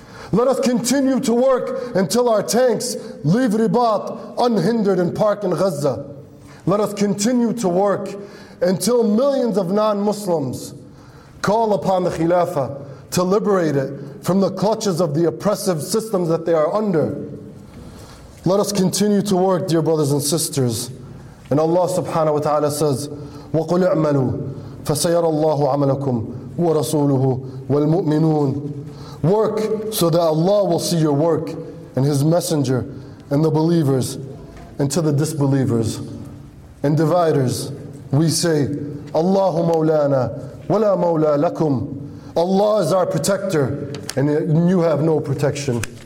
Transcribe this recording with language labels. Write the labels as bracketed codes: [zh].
[en] Let us continue to work until our tanks leave Ribat unhindered and park in Gaza. Let us continue to work until millions of non-Muslims call upon the Khilafah to liberate it from the clutches of the oppressive systems that they are under. Let us continue to work, dear brothers and sisters. [ar] And Allah subhanahu wa ta'ala says, وَقُلْ اعْمَلُوا فَسَيَرَى اللَّهُ عَمَلَكُمْ وَرَسُولُهُ وَالْمُؤْمِنُونَ. [en] Work so that Allah will see your work and His Messenger and the believers and to the disbelievers and dividers. We say, [ar] Allahu Mawlana, wala Mawla lakum. [en] Allah is our protector and you have no protection.